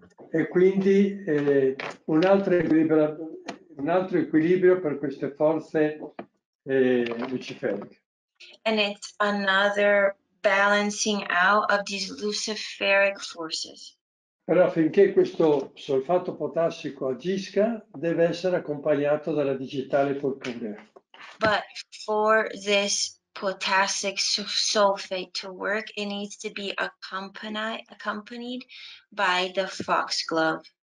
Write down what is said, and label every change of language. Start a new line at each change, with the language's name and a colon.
Italian: E quindi un altro equilibrio per queste forze luciferiche.
English: And it's another balancing out of these luciferic forces.
Italian: Però affinché questo solfato potassico agisca, deve essere accompagnato dalla digitale purpurea.
English: But for this potassic sulfate to work, it needs to be accompanied by the foxglove.